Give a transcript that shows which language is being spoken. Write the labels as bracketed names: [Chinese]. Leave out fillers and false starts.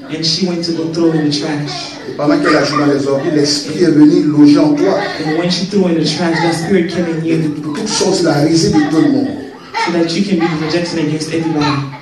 [English] And she went to go throw in the trash. [French] Et pendant qu'elle a joué dans les ordures, l'esprit est venu loger en toi. [English] And when she threw in the trash, that spirit came in you. [French] Pour toute chose, la risée de tout le monde. [English] So that you can be rejected against everyone.